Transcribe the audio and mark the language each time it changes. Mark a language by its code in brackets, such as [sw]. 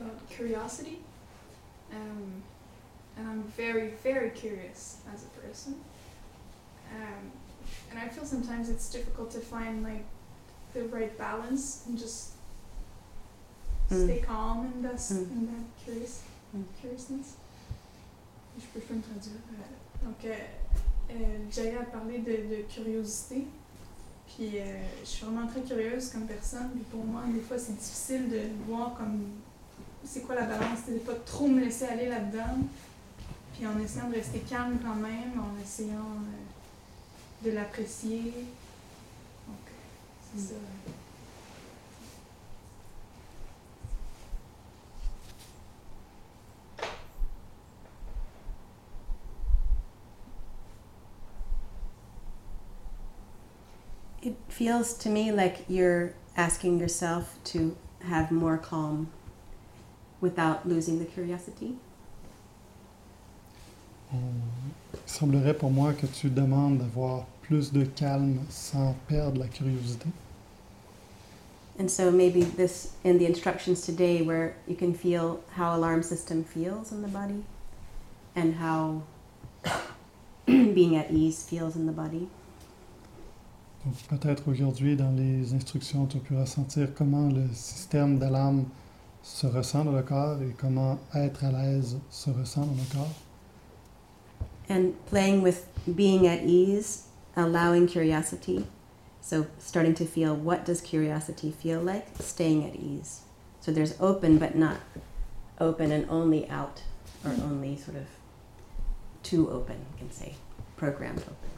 [en] Curiosity, and I'm very, very curious as a person, and I feel sometimes it's difficult to find like the right balance and just stay calm in this in that curiousness. [fr] Je peux pas me traduire. Donc, Jaya a parlé de curiosité, puis je suis vraiment très curieuse comme personne. Puis pour moi, des fois, c'est difficile de voir comme c'est quoi la balance, c'est de ne pas trop me laisser aller là-dedans, puis en essayant de rester calme quand même, en essayant de l'apprécier. Donc, c'est ça. [en] It feels to me like you're asking yourself to have more calm without losing the curiosity. [fr] Il semblerait pour moi que tu demandes d'avoir plus de calme sans perdre la curiosité. [en] And so maybe this in the instructions today where you can feel how alarm system feels in the body and how being at ease feels in the body. [fr] Donc peut-être aujourd'hui dans les instructions tu peux ressentir comment le système d'alarme se ressent dans le corps et comment être à l'aise se ressent dans le corps. [en] And playing with being at ease, allowing curiosity. So starting to feel what does curiosity feel like, staying at ease. So there's open but not open and only out or only sort of too open, you can say, programmed open.